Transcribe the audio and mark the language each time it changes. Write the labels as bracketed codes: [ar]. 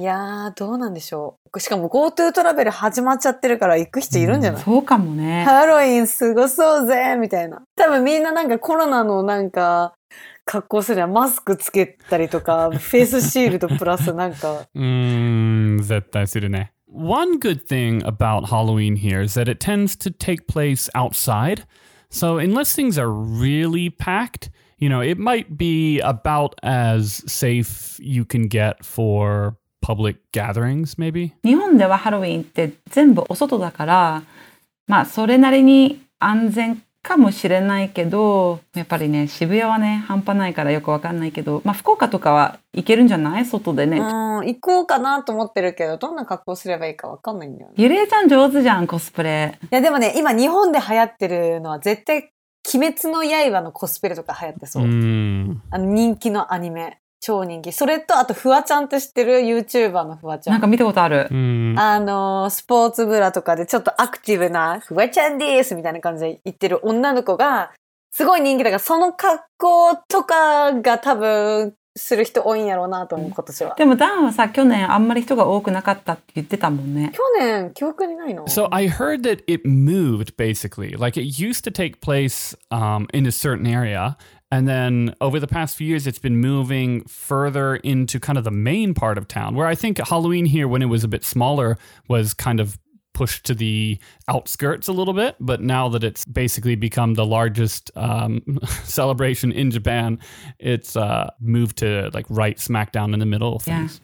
[ja] いやー、どうなんでしょう。しかも GoTo トラベル始まっちゃってるから行く人いるんじゃない、うん、そうかもね。ハロウィン過ごそうぜみたいな。多分みんななんかコロナのなんか格好するやん。マスクつけたりとか、フェイスシールドプラスなんか。絶対するね。 [en] One good thing about Halloween here is that it tends to take place outside. So unless things are really packed,You know, it might be about as safe you can get for public gatherings, maybe. [ja] 日本ではハロウィンって全部お外だから、まあそれなりに安全かもしれないけど、やっぱりね、渋谷はね、半端ないからよくわかんないけど、まあ福岡とかは行けるんじゃない? 外でね。行こうかなと思ってるけど、どんな格好すればいいかわかんないんだよね。ゆれえちゃん上手じゃん、コスプレ。いやでもね、今日本で流行ってるのは絶対鬼滅の刃のコスプレとか流行ってそう。あの人気のアニメ。超人気。それと、あと、フワちゃんって知ってる ?YouTuber のフワちゃん。なんか見たことある。スポーツブラとかでちょっとアクティブな、フワちゃんですみたいな感じで言ってる女の子が、すごい人気だから、その格好とかが多分、する人多いんやろうなと思う、今年は。でも、ダンはさ、去年あんまり人が多くなかったって言ってたもんね。去年、記憶にないの? [en] So I heard that it moved, basically. Like, it used to take place, in a certain area, and then over the past few years, it's been moving further into kind of the main part of town, where I think Halloween here, when it was a bit smaller, was kind of pushed to the outskirts a little bit, but now that it's basically become the largest celebration in Japan, it's moved to like right smack down in the middle of things.